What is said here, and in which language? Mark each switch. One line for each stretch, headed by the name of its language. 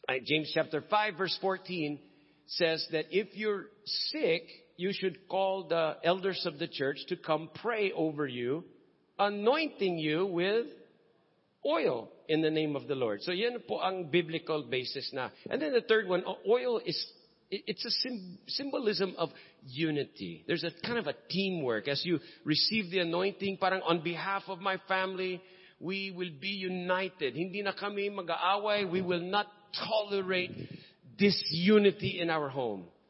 English: James chapter 5 verse 14 says that if you're sick, you should call the elders of the church to come pray over you, anointing you with oil in the name of the Lord.
Filipino: So yun po ang biblical basis na.
English: And then the third one, oil is, it's a symbolism of unity. There's a kind of a teamwork. As you receive the anointing, parang on behalf of my family, we will be united.
Filipino: Hindi na kami mag-aaway.
English: We will not tolerate disunity in our home.